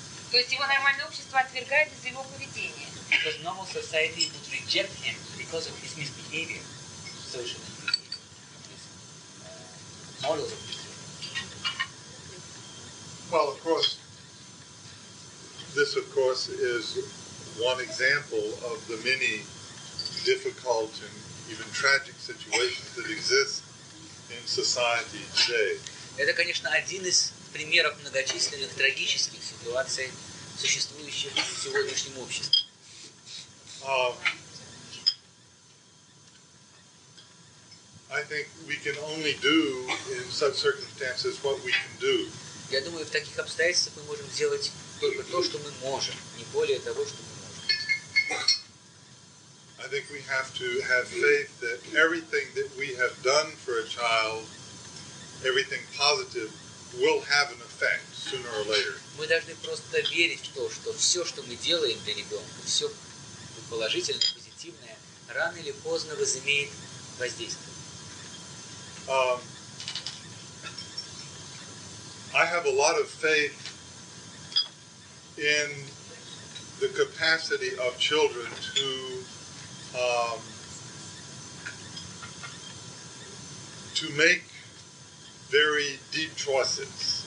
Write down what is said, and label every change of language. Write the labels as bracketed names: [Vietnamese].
[Russian] То есть его нормальное общество отвергает из-за его поведения. [English] Because normal society would reject him because of his misbehavior, social misbehavior, his models of behavior. Well, of course, this, of course, is one example of the many difficult and even tragic situations that exist in society today. [Russian] Это, конечно, один из примеров многочисленных трагических ситуаций, существующих в сегодняшнем обществе. [English] I think we can only do in such circumstances what we can do. [Russian] Я думаю, в таких обстоятельствах мы можем сделать только то, что мы можем, не более того, что мы можем. [English] I think we have to have faith that everything that we have done for a child, everything positive, will have an effect sooner or later. [Russian] Мы должны просто верить в то, что все, что мы делаем для ребенка, все положительное, позитивное, рано или поздно возымеет воздействие. [English] I have a lot of faith in the capacity of children to to make very deep choices.